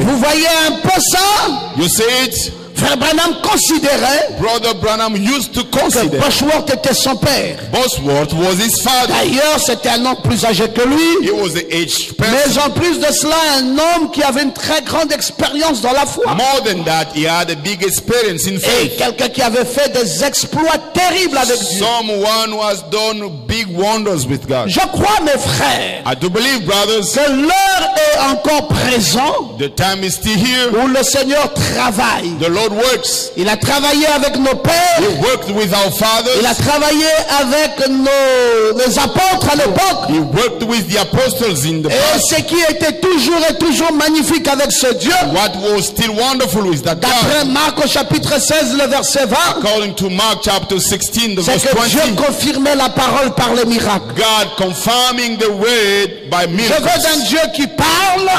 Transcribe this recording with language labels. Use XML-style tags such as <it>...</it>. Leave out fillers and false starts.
<fr>Vous voyez un peu ça?</fr> <en>You see it?</en> <fr>Frère Branham considérait</fr> <en>Brother Branham used to consider</en> <fr>que Bosworth était son père.</fr> <en>Bosworth was his father.</en> <fr>D'ailleurs, c'était un homme plus âgé que lui.</fr> <en>He was the aged person.</en> <fr>Mais en plus de cela, un homme qui avait une très grande expérience dans la foi.</fr> <en>More than that, he had a big experience in faith.</en> <fr>Et quelqu'un qui avait fait des exploits terribles avec Dieu.</fr> <en>Someone who has done big wonders with God.</en> <fr>Je crois, mes frères,</fr> <en>I do believe, brothers,</en> <fr>que l'heure est encore présente.</fr> <en>The time is still here.</en> <fr>Où le Seigneur travaille.</fr> <en>The Lord works.</en> <fr>Il a travaillé avec nos pères.</fr> <en>He worked with our fathers.</en> <fr>Il a travaillé avec les apôtres à l'époque.</fr> <en>He worked with the apostles in the past.</en> <fr>Et ce qui était toujours et toujours magnifique avec ce Dieu.</fr> <en>What was still wonderful with that God.</en> <fr>D'après Marc au chapitre 16, le verset 20.</fr> <en>According to Mark chapter 16, the verse 20.</en> <fr>C'est que Dieu confirmait la parole par les miracles.</fr> <en>God confirming the word by miracles.</en> <fr>Je veux d'un Dieu qui parle.</fr>